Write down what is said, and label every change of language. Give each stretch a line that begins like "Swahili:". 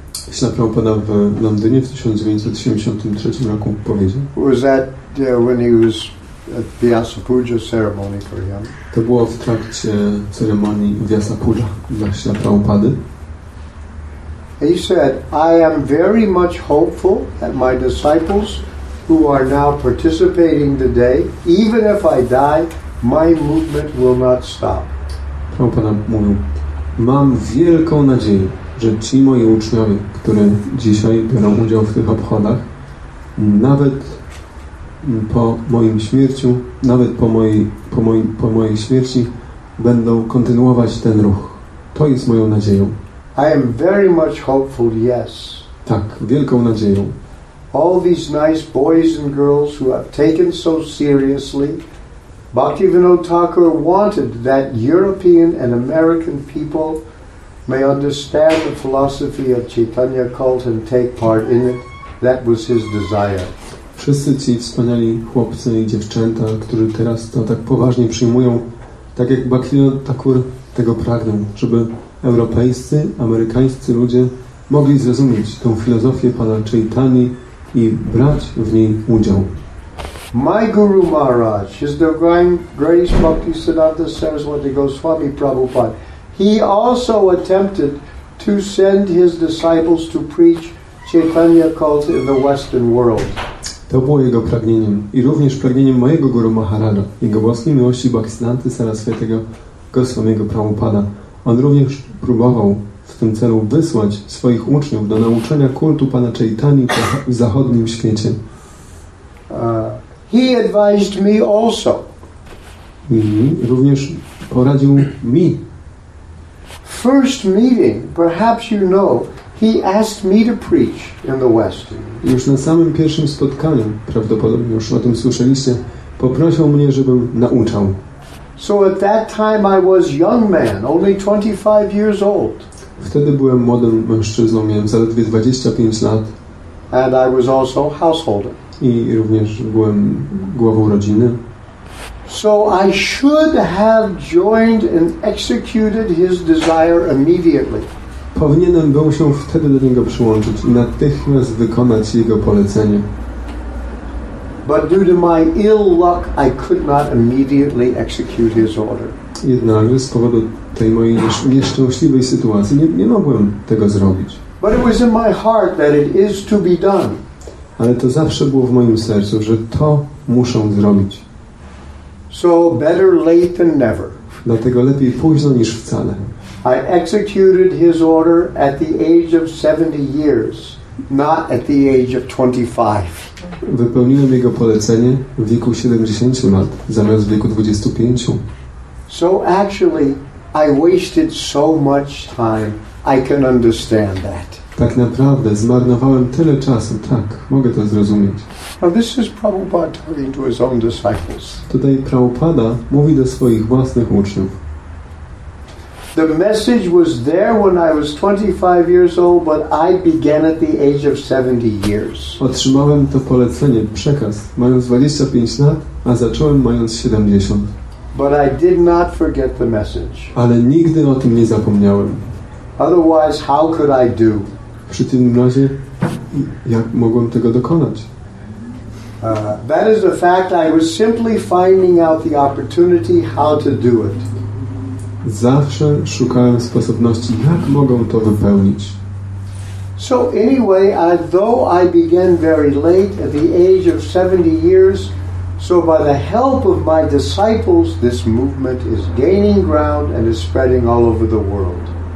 Polish: Śla Prabhupada w Londynie w 1973 roku powiedział.
English: Was that when he was at Vyasa Puja ceremony for him.
Polish: To było w trakcie ceremonii Vyasa Puja dla Śla Prabhupady.
English: He said, I am very much hopeful that my disciples who are now participating today, even if I die, my movement will not stop.
Polish: Prabhupada mówił, mam wielką nadzieję, że ci moi uczniowie, którzy dzisiaj biorą udział w tych obchodach, nawet po moim śmierci, nawet po mojej śmierci, będą kontynuować ten ruch. To jest moją nadzieją.
English: I am very much hopeful, yes.
Polish: Tak, wielką nadzieją.
English: All these nice boys and girls who have taken so seriously, Bhaktivinoda Thakur wanted that European and American people may understand the philosophy of Chaitanya cult and take part in it. That was his desire.
Polish: Wszyscy ci wspaniali chłopcy i dziewczęta, którzy teraz to tak poważnie przyjmują, tak jak Bhaktivinoda Thakur tego pragnął, żeby europejscy, amerykańscy ludzie mogli zrozumieć tą filozofię pana Chaitany i brać w niej udział.
English: My Guru Maharaj, His Divine Grace Bhaktisiddhanta Saraswati Goswami Prabhupada, he also attempted to send his disciples to preach Chaitanya cult in the Western world.
Polish: To było jego pragnieniem i również pragnieniem mojego Guru Maharaja, jego własnej miłości Bhaktisiddhanta Saraswati Goswami Prabhupada. On również próbował w tym celu wysłać swoich uczniów do nauczania kultu pana Chaitany w zachodnim świecie.
English: He advised me also.
Polish: I również poradził mi.
English: First meeting, perhaps you know, he asked me to preach in the West.
Polish: Już na samym pierwszym spotkaniu, prawdopodobnie już o tym słyszeliście, poprosił mnie, żebym nauczał.
English: So at that time I was young man, only 25 years old.
Polish: Wtedy byłem młodym mężczyzną, miałem zaledwie 25 lat.
English: And I was also householder.
Polish: I również byłem głową rodziny.
English: So I should have joined and executed his desire immediately.
Polish: Powinienem był się wtedy do niego przyłączyć i natychmiast wykonać jego polecenie.
English: But due to my ill luck, I could not immediately execute his order.
Polish: Jednakże z powodu tej mojej nieszczęśliwej sytuacji nie mogłem tego zrobić.
English: But it was in my heart that it is to be done.
Polish: Ale to zawsze było w moim sercu, że to muszę zrobić.
English: So better late than never.
Polish: Dlatego lepiej późno niż wcale.
English: I executed his order at the age of 70 years, not at the age of 25.
Polish: Wypełniłem jego polecenie w wieku 70 lat, zamiast w wieku 25.
English: So actually, I wasted so much time. I can understand that.
Polish: Tak naprawdę zmarnowałem tyle czasu. Tak, mogę to zrozumieć.
English: Now this is Prabhupada talking to his own disciples.
Polish: Tutaj Prabhupada mówi do swoich własnych uczniów.
English: The message was there when I was 25 years old, but I began at the age of 70 years.
Polish: Otrzymałem to polecenie, przekaz, mając 25 lat, a zacząłem mając 70.
English: But I did not forget the message.
Polish: Ale nigdy o tym nie zapomniałem.
English: Otherwise, how could I do?
Polish: W przeciwnym razie, jak mogłem tego dokonać?
English: That is the fact. I was simply finding out the opportunity how to do it.
Polish: Zawsze szukałem sposobności, jak mogę to wypełnić.
English: So anyway, though I began very late, at the age of 70 years, so by the help of my disciples, this movement is gaining ground and is spreading all over the world.